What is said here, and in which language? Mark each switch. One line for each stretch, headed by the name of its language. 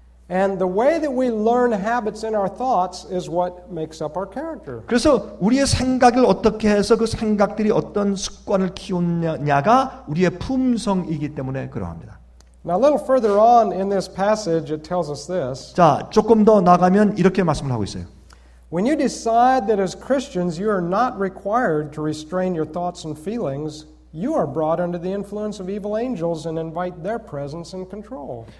English: And the way that we learn habits in our thoughts is what makes up our character.
Korean: 그래서 우리의 생각을 어떻게 해서 그 생각들이 어떤 습관을 키우느냐가 우리의 품성이기 때문에 그러합니다.
English: Now a little further on in this passage it tells us this.
Korean: 자, 조금 더 나가면 이렇게 말씀을 하고 있어요.
English: When you decide that as Christians you are not required to restrain your thoughts and feelings, you are brought under the influence of evil angels and invite their presence and control.